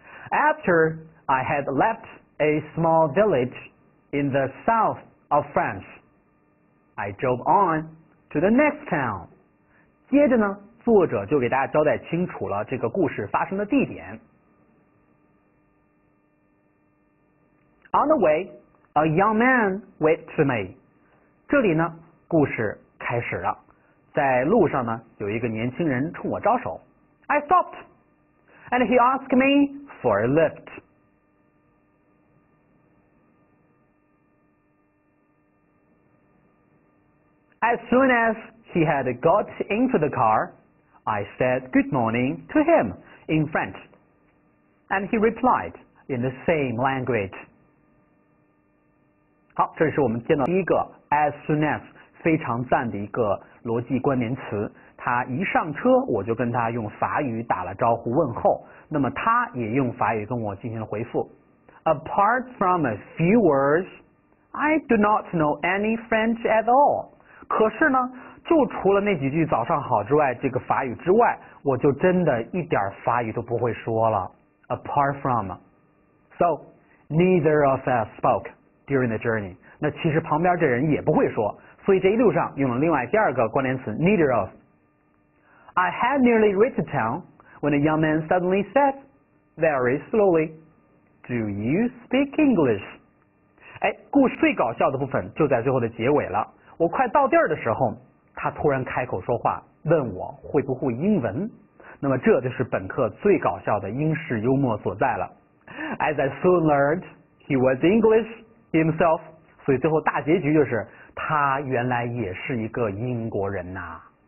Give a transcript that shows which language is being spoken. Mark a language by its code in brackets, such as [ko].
[en] After I had left a small village in the south of France, I drove on to the next town. [zh] 接着呢，作者就给大家交代清楚了这个故事发生的地点。 [en] On the way, a young man went to me. [zh] 这里呢，故事开始了。在路上呢，有一个年轻人冲我招手。 [en] I stopped, and he asked me for a lift. 。As soon as he had got into the car, I said good morning to him in French, and he replied in the same language. [zh] 好，这是我们见到第一个 as soon as 非常赞的一个逻辑关联词。他一上车，我就跟他用法语打了招呼问候，那么他也用法语跟我进行了回复。 [en] Apart from a few words, I do not know any French at all. [zh] 可是呢，就除了那几句早上好之外，这个法语之外，我就真的一点法语都不会说了。 [en] Apart from, so neither of us spoke. During the journey, [zh] 那其实旁边这人也不会说，所以这一路上用了另外第二个关联词 neither of. [en] I had nearly reached town when a young man suddenly said, very slowly, "Do you speak English?" [zh] 哎，故事最搞笑的部分就在最后的结尾了。我快到地儿的时候，他突然开口说话，问我会不会英文。那么这就是本课最搞笑的英式幽默所在了。 [en] As I soon learned, he was English. Himself, [zh] 所以最后大结局就是他原来也是一个英国人呐。